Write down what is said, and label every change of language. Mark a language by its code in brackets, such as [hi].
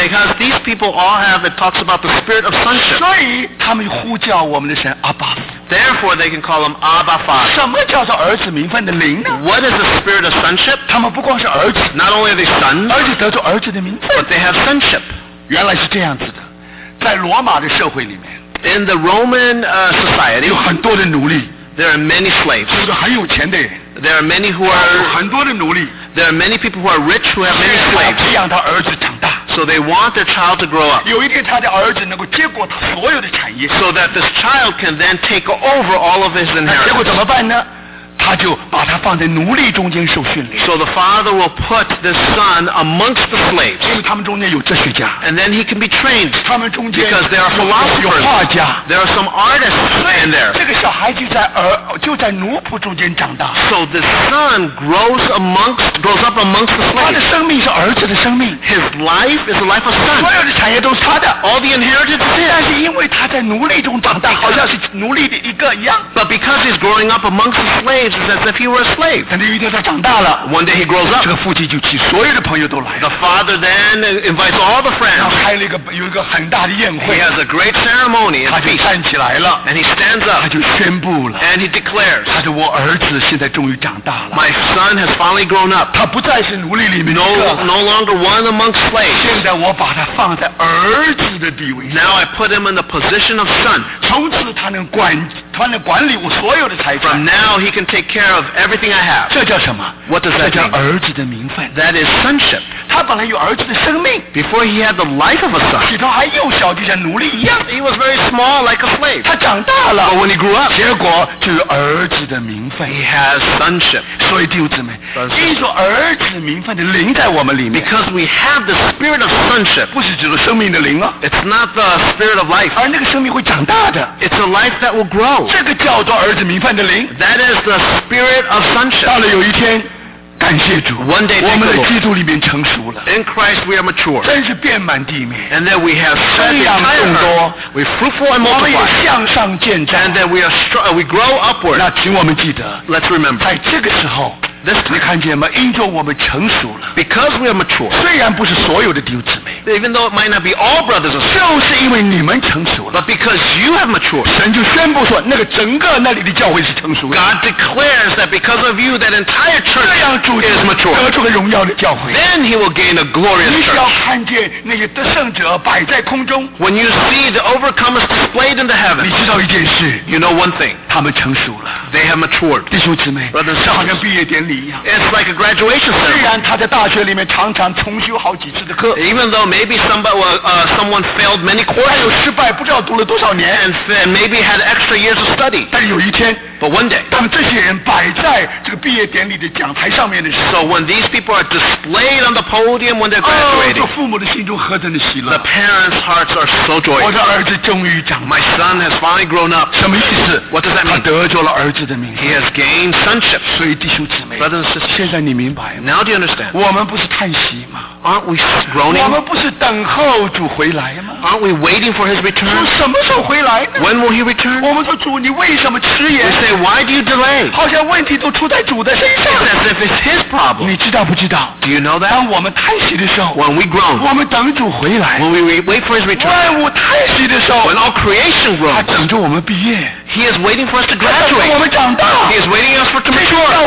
[en] Because these people all have, it talks about the spirit of sonship. [zh] 所以他们呼叫我们的神阿爸。 [en] Therefore, they can call him Abba Father. [zh] 什么叫做儿子名分的灵呢？ [en] What is the spirit of sonship? [zh] 他们不光是儿子。 [en] Not only are they sons. [zh] 而且得着儿子的名分。 [en] But they have sonship. [zh] 原来是这样子的，在罗马的社会里面。 [en] In the Roman society, [zh] 有很多的奴隶。 [en] There are many slaves. [zh] 有的很有钱的人。 [en] There are many who are. [zh] 有很多的奴隶。 [en] There are many people who are rich who have many slaves. [zh] 培养他儿子长大。 [en] So they want their child to grow up. [zh] 有一天他的儿子能够接过他所有的产业。 [en] So that this child can then take over all of his inheritance. [zh] 结果怎么办呢？他就把他放在奴隶中间受训练。 [en] So the father will put the son amongst the slaves. [zh] 因为他们中间有哲学家。 [en] And then he can be trained. [zh] 他们中间 [en] because there are philosophers. [zh] 有画家。 [en] There are some artists in there. [zh] 这个小孩就在奴仆中间长大。 [en] So the son grows up amongst the slaves. [zh] 他的生命是儿子的生命。 [en] His life is the life of son. [zh] 所有的产业都是他的。 [en] All the inheritance is his. [zh] 但是因为他在奴隶中长大，好像是奴隶的一个一样。 [en] But because he's growing up amongst the slaves. It's as if he were a slave. [zh] 等到有一天他长大了， [en] One day he grows up. [zh] 这个父亲就请所有的朋友都来。 [en] The father then invites all the friends. [zh] 然后开了有一个很大的宴会。 [en] He has a great ceremony. [zh] 他就站起来了。 [en] And he stands up. [zh] 他就宣布了。 [en] And he declares. [zh] 他说我儿子现在终于长大了。 [en] My son has finally grown up. [zh] 他不再是奴隶里面的一个。 [en] No longer one amongst slaves. [zh] 现在我把他放在儿子的地位。 [en] Now I put him in the position of son. [zh] 从此他能管。他能管理我所有的财产。 [en] From now he can take care of everything I have. [zh] 这叫什么？ [en] What does that [zh] 这叫儿子的名分。 [en] That is sonship. [zh] 他本来有儿子的生命。 [en] Before he had the life of a son. [zh] 起初还幼小，就像奴隶一样。 [en] He was very small, like a slave. [zh] 他长大了。 [en] But when he grew up, [zh] 结果就有儿子的名分。 [en] He has sonship. [zh] 所以弟兄姊妹，因着儿子的名分的灵在我们里面。 [en] Because we have the spirit of sonship. [zh] 不是指的生命的灵啊。 [en] It's not the spirit of life. [zh] 而那个生命会长大的。 [en] It's a life that will grow. [zh] 这个叫做儿子名分的灵。 [en] That is the spirit of sonship. [zh] 到了有一天，感谢主。 [en] One day, [zh] 我们的基督里面成熟了。 [en] In Christ we are mature. [zh] 真是遍满地面。 [en] And then we have [zh] 生养众多。 [en] We fruitful and multiply. [zh] 我们也向上建造。 [en] And then we grow upward. [zh] 那请我们记得。 [en] Let's remember. [zh] 在这个时候。 [en] This time, [zh] 你看见吗？因着我们成熟了 [en] ，because we are mature， [zh] 虽然不是所有的弟兄姊妹 [en] ，even though it might not be all brothers and sisters， [zh] 就是因为你们成熟了 [en] ，but because you have matured， [zh] 神就宣布说，那个整个那里的教会是成熟的。 [en] God declares that because of you, that entire church is mature， [zh] 这样主得出个荣耀的教会。 [en] Then he will gain a glorious church。 [zh] 你只要看见那些得胜者摆在空中 [en] ，when you see the overcomers displayed in the heaven， [zh] 你知道一件事 [en] ，you know one thing， [zh] 他们成熟了 [en] ，they have matured， [zh] 弟兄姊妹 [en] ，brothers， [zh] 就好像毕业典礼。 [en] It's like a graduation ceremony. [zh] 虽然他在大学里面常常重修好几次的课。 [en] Even though maybe someone failed many courses. [zh] 还有失败，不知道读了多少年。 [en] And maybe had extra years of study. [zh] 但有一天。 [en] But one day. [zh] 当这些人摆在这个毕业典礼的讲台上面的时候。 [en] So when these people are displayed on the podium when they're graduating. [zh] 哦，父母的心中何等的喜乐。 [en] The parents' hearts are so joyful. [zh] 我的儿子终于长大。 [en] My son has finally grown up. [zh] 什么意思？ [en] What does that mean? [zh] 他得着了儿子的名分。 [en] He has gained sonship. [zh] 所以弟兄姊妹。现在你明白吗？ [en] Now do you understand? [zh] 我们不是叹息吗？ [en] Aren't we groaning? [zh] 我们不是等候主回来吗？ [en] Aren't we waiting for his return? [zh] 主什么时候回来呢？ [en] When will he return? [zh] 我们说主，你为什么迟延？ [en] We say, why do you delay? [zh] 好像问题都出在主的身上。 [en] It's as if it's his problem. [zh] 你知道不知道？ [en] Do you know that? [zh] 当我们叹息的时候， [en] When we groan, [zh] 我们等主回来。 [en] When we wait for his return, [zh] 万物叹息的时候， [en] When all creation groans, [zh] 他等着我们毕业。 [en] He is waiting for us to graduate. [zh] 我们长大。 [en] He is waiting us for to mature.